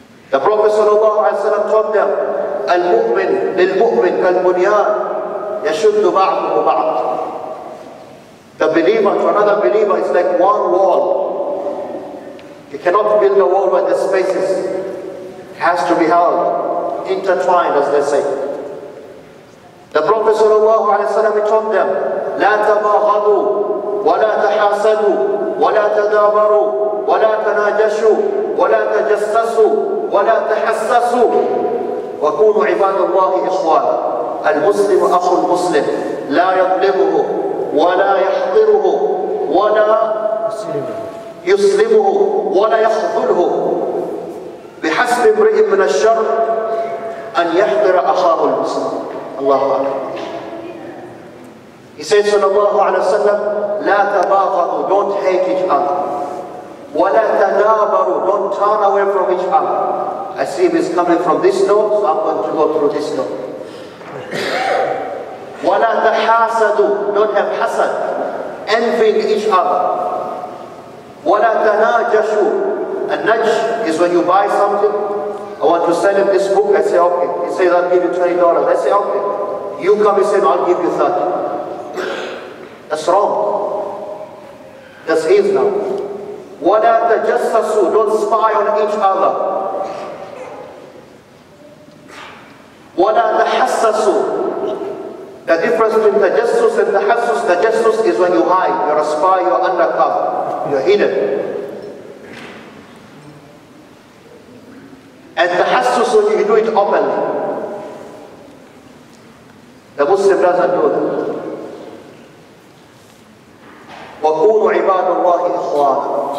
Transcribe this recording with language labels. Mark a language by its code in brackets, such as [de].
[en] The Prophet sallallahu alaihi wasallam told them, [ar] المؤمن للمؤمن كالبنيان يشد بعضه بعض. [en] The believer to another believer is like one wall. You cannot build a wall where the spaces has to be held, intertwined, as they say. The Prophet sallallahu alaihi wasallam told them, [ar] لا تباغضوا ولا تحاسدوا ولا تدابروا ولا تناجشوا ولا تجسسوا ولا تحسسوا وكونوا عباد الله إخوانا. المسلم أخو المسلم لا يظلمه ولا يحقره ولا يسلمه ولا يخذله بحسب امرئ من الشر أن يحضر أخاه المسلم. الله أكبر. يسأل صلى الله عليه وسلم لا تباغضوا, [en] don't hate each other. [ar] ولا تدابروا, [en] don't turn away from each other. I see if it's coming from this note, so I'm going to go through this note. [ar] ولا تحاسدوا, [en] don't have hasad, envying each other. [ar] ولا تناجشوا, [en] a najsh is when you buy something. I want to sell him this book, I say okay. He says I'll give you $20, I say okay. You come, he says I'll give you $30. That's wrong. That's Islam. [ar] ولا تجسسوا, [en] don't spy on each other. [ar] ولا تحسسوا. [en] The difference between تجسس and تحسس, تجسس is when you hide, you're a spy, you're undercover, you're hidden. And تحسس when you do it openly. The Muslim doesn't do that. [ar] وكونوا عباد الله إخوانا.